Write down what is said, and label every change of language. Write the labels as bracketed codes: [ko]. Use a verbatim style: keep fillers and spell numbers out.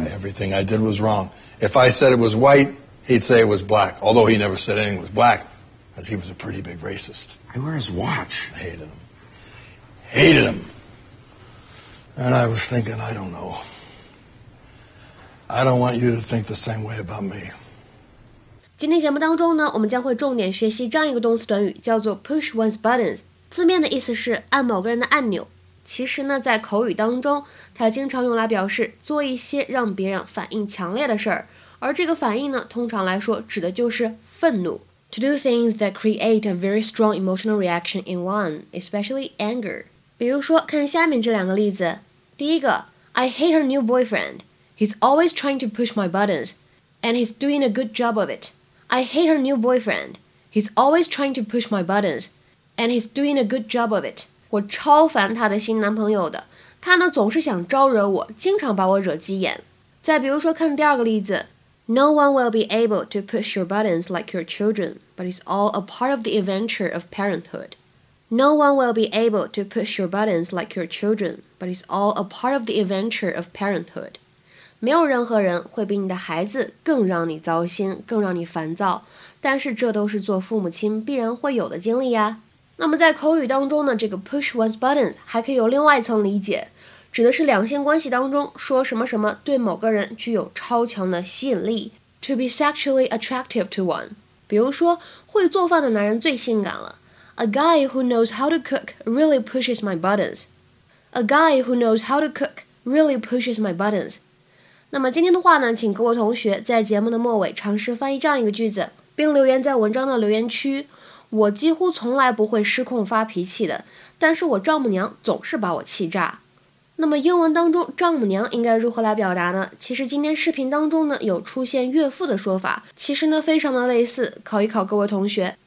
[en] And everything I did was wrong. If I said it was white, he'd say it was black, although he never said anything was black. Because he was a pretty big racist. I wore his watch. I hated him. Hated him. And I was thinking, I don't know. I don't want you to think the same way about me. [zh] 今天节目当中呢，我们将会重点学习这样一个动词短语，叫做 push one's buttons。字面的意思是按某个人的按钮。其实呢，在口语当中，它经常用来表示做一些让别人反应强烈的事儿。而这个反应呢，通常来说指的就是愤怒。 [en] To do things that create a very strong emotional reaction in one, especially anger. [zh] 比如说，看下面这两个例子。第一个 [en] I hate her new boyfriend. He's always trying to push my buttons, and he's doing a good job of it. I hate her new boyfriend. He's always trying to push my buttons, and he's doing a good job of it. [zh] 我超烦他的新男朋友的，他呢总是想招惹我，经常把我惹急眼。再比如说，看第二个例子。 [en] No one will be able to push your buttons like your children, but it's all a part of the adventure of parenthood. No one will be able to push your buttons like your children, but it's all a part of the adventure of parenthood. [zh] 没有任何人会比你的孩子更让你糟心，更让你烦躁，但是这都是做父母亲必然会有的经历呀。那么在口语当中呢，这个 push one's buttons 还可以有另外一层理解。指的是两性关系当中说什么什么对某个人具有超强的吸引力 ， [en] to be sexually attractive to one。 [zh] 比如说，会做饭的男人最性感了。 [en] A guy who knows how to cook really pushes my buttons. A guy who knows how to cook really pushes my buttons. [zh] 那么今天的话呢，请各位同学在节目的末尾尝试翻译这样一个句子，并留言在文章的留言区。我几乎从来不会失控发脾气的，但是我丈母娘总是把我气炸。那么英文当中丈母娘应该如何来表达呢？其实今天视频当中呢有出现岳父的说法，其实呢非常的类似，考一考各位同学。